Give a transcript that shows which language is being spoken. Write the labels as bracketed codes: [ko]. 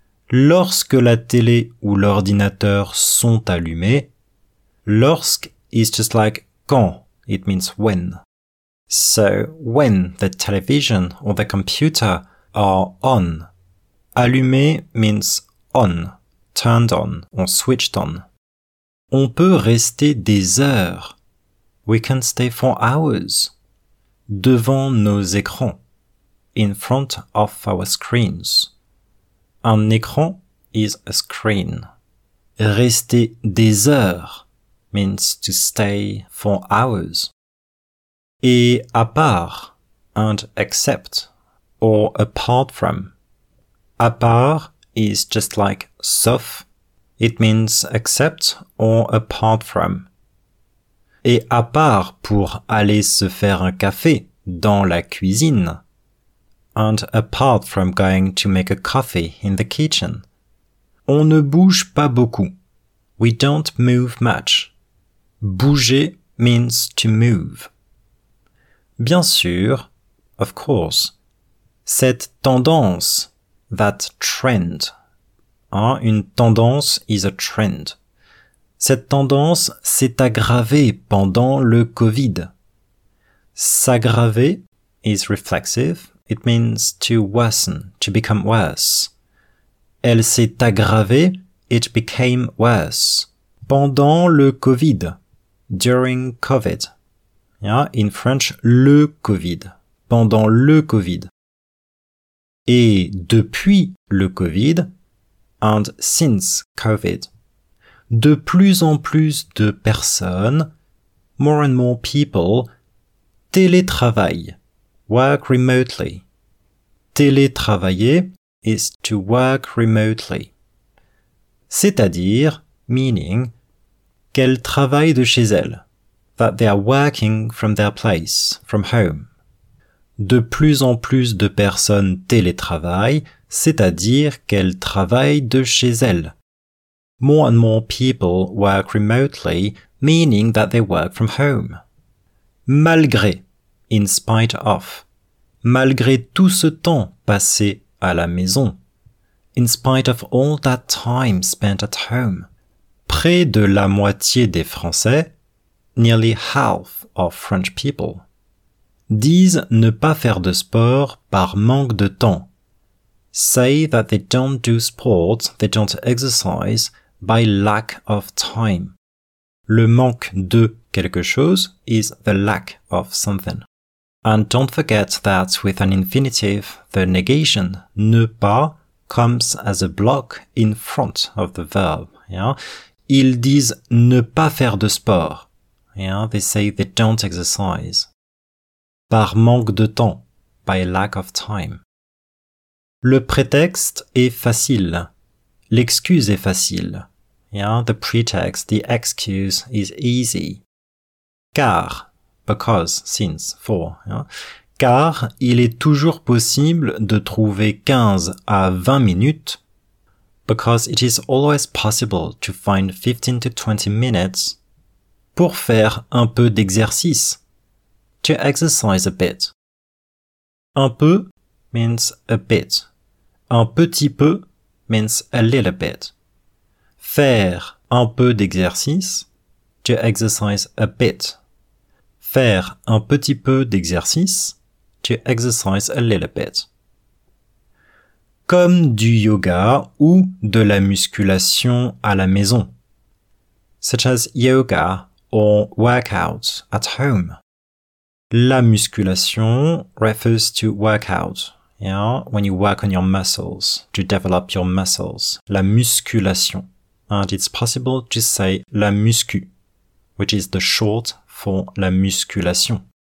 [fr] Lorsque la télé ou l'ordinateur sont allumés, lorsque [en] is just like quand, it means when. So, when the television or the computer are on. Allumé means on, turned on, or switched on. [fr] On peut rester des heures. [en] We can stay for hours. [fr] Devant nos écrans. [en] In front of our screens. Un écran is a screen. [fr] Rester des heures [en] means to stay for hours. [fr] Et à part, [en] and except, or apart from. À part is just like sauf. It means except or apart from. [fr] Et à part pour aller se faire un café dans la cuisine. [en] And apart from going to make a coffee in the kitchen. [fr] On ne bouge pas beaucoup. [en] We don't move much. Bouger means to move. [fr] Bien sûr, [en] of course, [fr] cette tendance... [en] That trend. Une tendance is a trend. [fr] Cette tendance s'est aggravée pendant le Covid. [en] S'aggraver is reflexive. It means to worsen, to become worse. [fr] Elle s'est aggravée, [en] it became worse. [fr] Pendant le Covid. [en] During Covid. In French, [fr] le Covid. Pendant le Covid. Et depuis le Covid, [en] and since Covid, [fr] de plus en plus de personnes, [en] more and more people, [fr] télétravaillent, [en] work remotely. [fr] Télétravailler [en] is to work remotely. [fr] C'est-à-dire, meaning, qu'elle travaille de chez elle. [en] That they are working from their place, from home. [fr] De plus en plus de personnes télétravaillent, c'est-à-dire qu'elles travaillent de chez elles. [en] More and more people work remotely, meaning that they work from home. Malgré, in spite of. [fr] Malgré tout ce temps passé à la maison. [en] In spite of all that time spent at home. [fr] Près de la moitié des Français, [en] nearly half of French people, [fr] disent ne pas faire de sport par manque de temps. [en] Say that they don't do sport, they don't exercise, by lack of time. [fr] Le manque de quelque chose [en] is the lack of something. And don't forget that with an infinitive, the negation, ne pas, comes as a block in front of the verb. Yeah? [fr] Ils disent ne pas faire de sport. [en] Yeah? They say they don't exercise. [fr] Par manque de temps. [en] By lack of time. [fr] Le prétexte est facile. L'excuse est facile. Yeah? [en] The pretext, the excuse is easy. Car, because, since, for. Yeah? [fr] Car il est toujours possible de trouver 15 à 20 minutes. [en] Because it is always possible to find 15 to 20 minutes [fr] pour faire un peu d'exercice. [en] To exercise a bit. Un peu means a bit. Un petit peu means a little bit. [fr] Faire un peu d'exercice. [en] To exercise a bit. [fr] Faire un petit peu d'exercice. [en] To exercise a little bit. [fr] Comme du yoga ou de la musculation à la maison. [en] Such as yoga or workout at home. La musculation refers to workout. Yeah? When you work on your muscles, to develop your muscles. La musculation. And it's possible to say la muscu, which is the short for la musculation.